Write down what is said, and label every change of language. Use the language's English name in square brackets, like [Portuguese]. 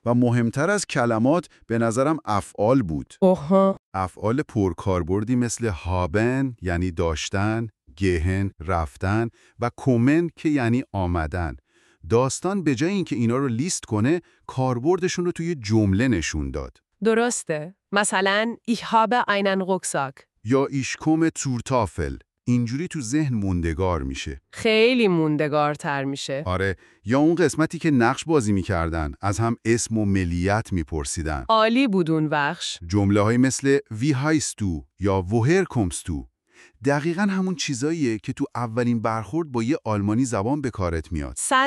[Persian] و مهمتر از کلمات به نظرم افعال بود. اوها. افعال پرکاربردی مثل هابن یعنی داشتن، گهن رفتن و کومن که یعنی آمدن. داستان به جای اینکه اینا رو لیست کنه، کاربردشون رو توی جمله نشون داد. درسته. مثلا [German] ich habe einen Rucksack [Persian] یا [German] ich komme zur Tafel. [Persian] اینجوری تو ذهن موندگار میشه. خیلی موندگارتر میشه. آره. یا اون قسمتی که نقش بازی میکردن، از هم اسم و ملیت میپرسیدن. عالی بود اون بخش. جمله های مثل [German] wie heißt du [Persian] یا [German] woher kommst du [Persian] دقیقا همون چیزاییه که تو اولین برخورد با یه آلمانی زبان به کارت میاد.